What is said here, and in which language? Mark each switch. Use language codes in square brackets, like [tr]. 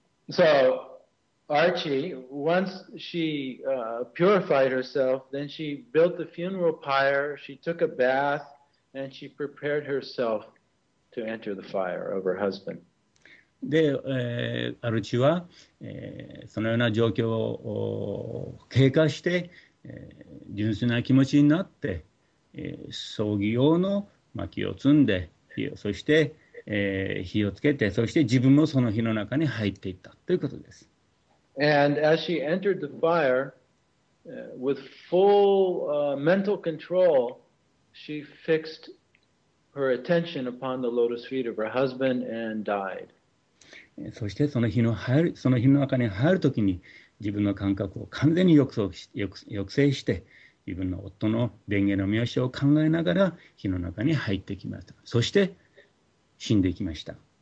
[en] So Archie, once she purified herself, then she built the funeral pyre, she took a bath, and she prepared herself to enter the fire of her husband. [ja] で、アルチは、そのような状況を経過して、純粋な気持ちになって、葬儀用の薪を積んで、そして、火をつけて、そして自分もその火の中に入っていったということです。 [en] And as she entered the fire, with full mental control, she fixed her attention upon the lotus feet of her husband and died. [ja] そしてその火の入る、その火の中に入るときに自分の感覚を完全に抑制して自分の夫の蓮華の御足を考えながら火の中に入ってきました。そして死んでいきました。